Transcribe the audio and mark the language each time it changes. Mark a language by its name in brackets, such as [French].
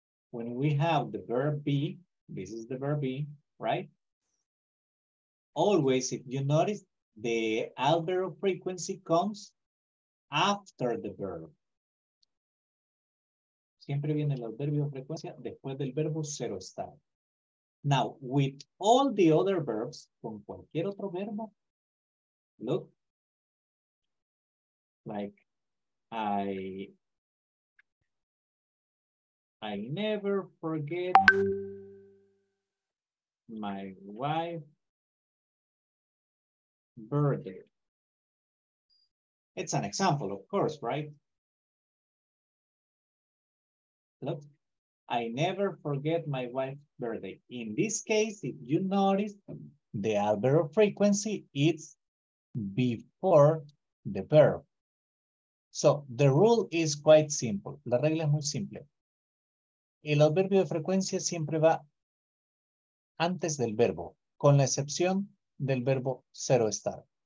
[English] When we have the verb be, this is the verb be, right? Always, if you notice, the adverb frequency comes after the verb. [Spanish] Siempre viene el adverbio frecuencia después del verbo cero estar. [English] Now, with all the other verbs, [Spanish] con cualquier otro verbo, [English] look, like I never forget my wife's birthday. It's an example, of course, right? Look, I never forget my wife's birthday. In this case, if you notice, the adverb of frequency is before the verb. So the rule is quite simple. [Spanish] La regla es muy simple. El adverbio de frecuencia siempre va antes del verbo, con la excepción del verbo cero estar.